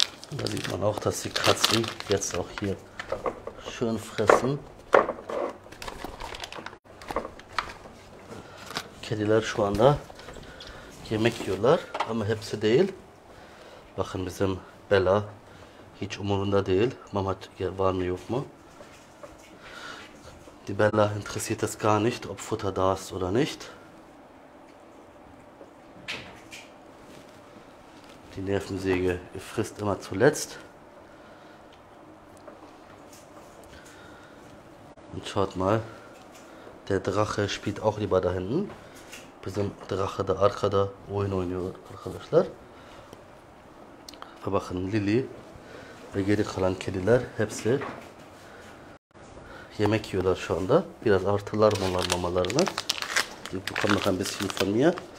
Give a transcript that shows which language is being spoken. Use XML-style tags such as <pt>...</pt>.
<de>Da sieht man auch, dass die Katzen jetzt auch hier schön fressen.</de> <tr>Kediler şu anda yemek yiyorlar ama hepsi değil. Bakın bizim Bella hiç umurunda değil. Mama var mı yok mu?</tr> <de>Die Bella interessiert es gar nicht, ob Futter da ist oder nicht. Die Nervensäge frisst immer zuletzt. Und schaut mal, der Drache spielt auch lieber da hinten.</de> <tr>Bizim Drache da arkada oyun oynuyor arkadaşlar. Ve bakın Lili ve geri kalan kediler hepsi yemek yiyorlar şu anda. Biraz artırlar mı onlar mamalarını? Bu konuda bir şey sormaya.</tr>